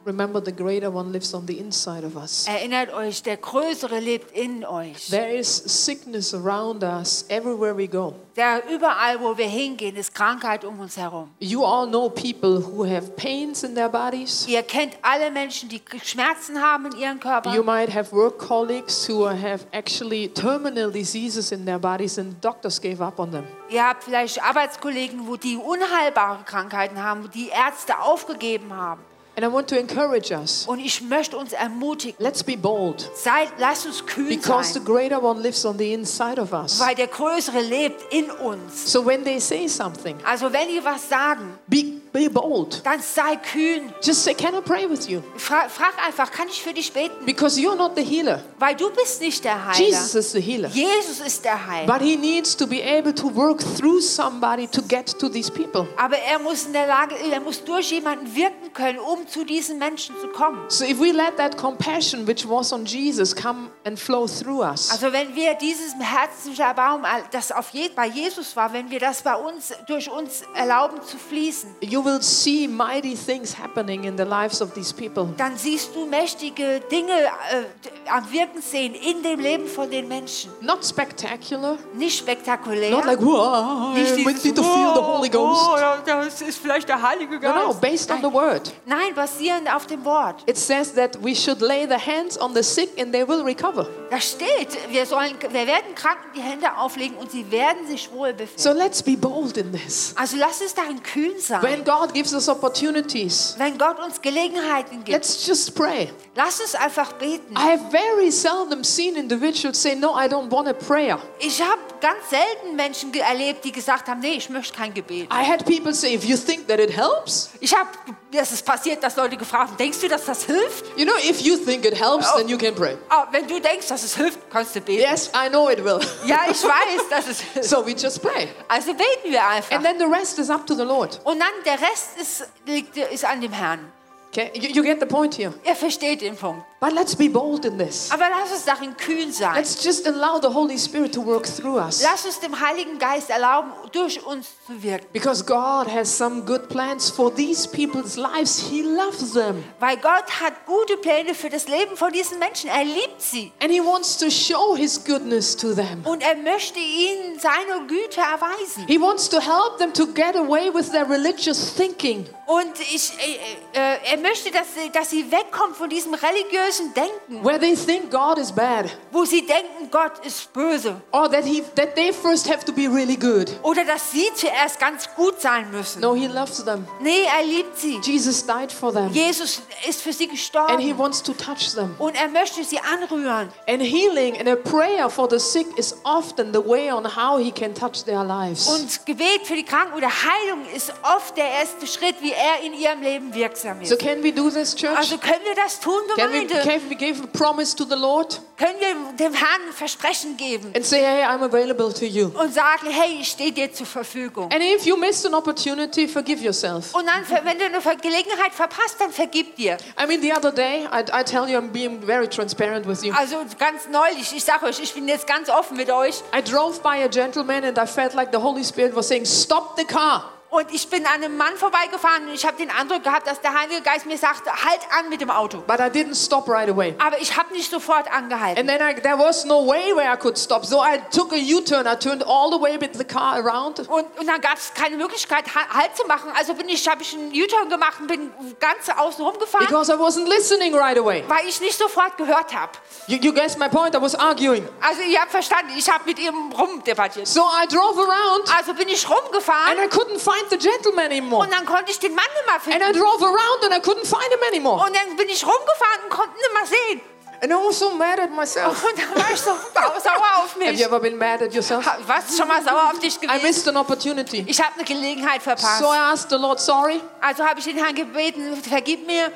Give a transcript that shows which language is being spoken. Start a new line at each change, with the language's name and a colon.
English: Remember, the greater one lives on the inside of us.
German: Erinnert euch, der Größere lebt in euch.
English: There is sickness around us everywhere we go.
German: Der überall, wo wir hingehen, ist Krankheit um uns herum.
English: You all know people who have pains in their bodies.
German: Ihr kennt alle Menschen, die Schmerzen haben in ihren Körpern.
English: You might have work colleagues who have actually terminal diseases in their bodies and doctors gave up on them.
German: Ihr habt vielleicht Arbeitskollegen, wo die unheilbare Krankheiten haben, wo die Ärzte aufgegeben haben.
English: And I want to encourage us.
German: Und ich möchte uns ermutigen.
English: Let's be bold.
German: Lasst uns kühn sein.
English: Because the greater one lives on the inside of us.
German: Weil der Größere lebt in uns.
English: So when they say something.
German: Also wenn die was sagen.
English: Be be bold.
German: Dann sei kühn.
English: Just say, can I pray with you?
German: Frag einfach, kann ich für dich beten?
English: Because you're not the healer.
German: Weil du bist nicht der Heiler.
English: Jesus is the healer.
German: Jesus ist der Heiler.
English: But he needs to be able to work through somebody to get to these people.
German: Aber er muss in der Lage, er muss durch jemanden wirken können, um zu diesen Menschen zu kommen.
English: So if we let that compassion which was on Jesus come and flow through us.
German: Also wenn wir dieses herzliche Erbarmen, das auf bei Jesus war, wenn wir das bei uns durch uns erlauben zu fließen.
English: You will see mighty things happening in the lives of these people.
German: Dann siehst du mächtige Dinge am Wirken sehen in dem Leben von den Menschen.
English: Not spectacular.
German: Nicht spektakulär.
English: Not like,
German: das ist vielleicht der Heilige Geist.
English: No, based on the word.
German: Nein, basierend auf dem Wort.
English: It says that we should lay the hands on the sick and they will recover.
German: Da steht, wir werden Kranken die Hände auflegen und sie werden sich wohl befinden.
English: So let's be bold in this.
German: Also lass uns darin kühn sein.
English: When God gives us opportunities.
German: Wenn Gott uns Gelegenheiten gibt.
English: Let's just pray.
German: Lass uns einfach beten.
English: I have very seldom seen individuals say, no, I don't want a prayer.
German: Ich habe ganz selten Menschen erlebt, die gesagt haben, nee, ich möchte kein Gebet.
English: I had people say, if you think that it helps.
German: Ich habe, es ist passiert, dass Leute gefragt haben, denkst du, dass das hilft?
English: You know, if you think it helps, then you can pray.
German: Oh, wenn du denkst, dass es hilft, kannst du beten.
English: Yes, I know it will.
German: Ja, ich weiß, dass es hilft.
English: So we just pray.
German: Also beten wir einfach.
English: And then the rest is up to the Lord.
German: Und dann der Rest liegt an dem Herrn.
English: Okay, you get the point here.
German: Ihr versteht den Punkt.
English: But let's be bold in this.
German: Aber lass uns darin kühn sein.
English: Let's just allow the Holy Spirit to work through us.
German: Lass uns dem Heiligen Geist erlauben, durch uns zu wirken.
English: Because God has some good plans for these people's lives. He loves them.
German: Weil Gott hat gute Pläne für das Leben von diesen Menschen. Er liebt sie.
English: And he wants to show his goodness to them.
German: Und er möchte ihnen seine Güte erweisen.
English: He wants to help them to get away with their religious thinking.
German: Und er möchte, dass sie wegkommen von diesem religiösen Denken.
English: Where they think God is bad.
German: Wo sie denken, Gott ist böse.
English: Or that they first have to be really good.
German: Oder dass sie zuerst ganz gut sein müssen.
English: No, he loves them.
German: Nee, er liebt sie.
English: Jesus died for them.
German: Jesus ist für sie gestorben.
English: And he wants to touch them.
German: Und er möchte sie anrühren.
English: And healing and a prayer for the sick is often the way on how he can touch their lives.
German: Und Gebet für die Kranken oder Heilung ist oft der erste Schritt, wie er in ihrem Leben wirksam ist.
English: So can we do this, church?
German: Also können wir das tun, Gemeinde?
English: Can we give a promise to the Lord?
German: Können wir dem Herrn ein Versprechen geben?
English: And say, hey, I'm available to you.
German: Und sagen, hey, ich stehe dir zur Verfügung.
English: And if you missed an opportunity, forgive yourself.
German: Und dann, wenn du eine Gelegenheit verpasst, dann vergib dir.
English: I mean, the other day, I tell you, I'm being very transparent with you.
German: Also ganz neulich, ich sage euch, ich bin jetzt ganz offen mit euch.
English: I drove by a gentleman and I felt like the Holy Spirit was saying, stop the car.
German: Und ich bin an einem Mann vorbeigefahren und ich habe den Eindruck gehabt, dass der Heilige Geist mir sagte, halt an mit dem Auto.
English: But I didn't stop right away.
German: Aber ich habe nicht sofort angehalten.
English: And then there was no way where I could stop. So I took a U-turn. I turned all the way with the car around.
German: Und dann gab es keine Möglichkeit, halt zu machen. Also habe ich einen U-Turn gemacht und bin ganz außen rum gefahren.
English: Because I wasn't listening right away.
German: Weil ich nicht sofort gehört habe.
English: You guessed my point. I was arguing.
German: Also ihr habt verstanden, ich habe mit ihm rumdebattiert.
English: So I drove around.
German: Also bin ich rumgefahren.
English: And I couldn't find the gentleman anymore.
German: Und dann konnte ich den Mann nicht mehr finden.
English: And I drove around and I couldn't find him anymore.
German: Und dann bin ich rumgefahren und konnte ihn nicht mehr sehen.
English: And I was so mad at myself.
German: Und dann war ich so sauer auf mich.
English: Have you ever been mad at yourself?
German: Warst du schon mal sauer auf dich gewesen?
English: I missed an opportunity.
German: Ich habe eine Gelegenheit verpasst.
English: So I asked the Lord, sorry.
German: Also habe ich den Herrn gebeten, vergib mir.